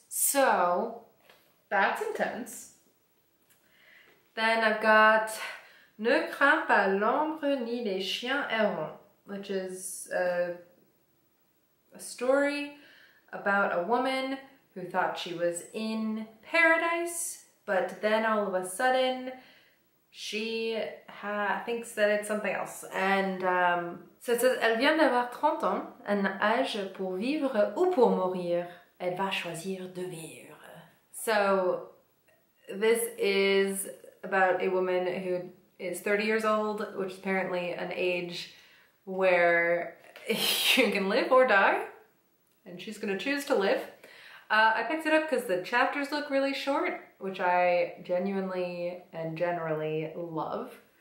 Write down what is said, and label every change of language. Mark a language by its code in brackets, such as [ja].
[en] So, that's intense. Then I've got Ne crains pas l'ombre ni les chiens errants, which is a story about a woman who thought she was in paradise, but then all of a sudden she thinks that it's something else. [fr] And ça says, elle vient d'avoir 30 ans, un âge pour vivre ou pour mourir. Elle va choisir de vivre. [en] So this is about a woman who is 30 years old, which is apparently an age where you can live or die, and she's gonna choose to live. I picked it up because the chapters look really short, which I genuinely and generally love.